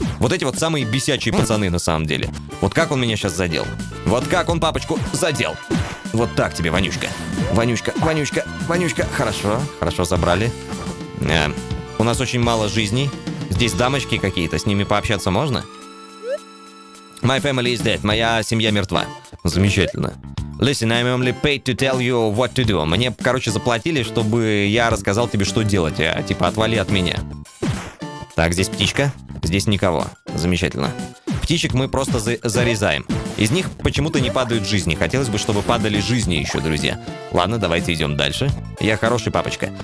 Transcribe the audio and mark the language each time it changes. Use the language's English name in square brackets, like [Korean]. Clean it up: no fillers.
[Russian] Вот эти вот самые бесячие пацаны на самом деле. Вот как он меня сейчас задел. Вот как он папочку задел. Вот так тебе, Ванюшка. Ванюшка, Ванюшка, Ванюшка. Хорошо, хорошо, забрали. У нас очень мало жизней. Здесь дамочки какие-то, с ними пообщаться можно? [English] My family is dead. [Russian] Моя семья мертва. Замечательно. [English] Listen, I'm only paid to tell you what to do. [Russian] Мне, короче, заплатили, чтобы я рассказал тебе, что делать. Типа, отвали от меня. Так, здесь птичка. Здесь никого. Замечательно. Птичек мы просто зарезаем. Из них почему-то не падают жизни. Хотелось бы, чтобы падали жизни еще, друзья. Ладно, давайте идем дальше. Я хороший папочка.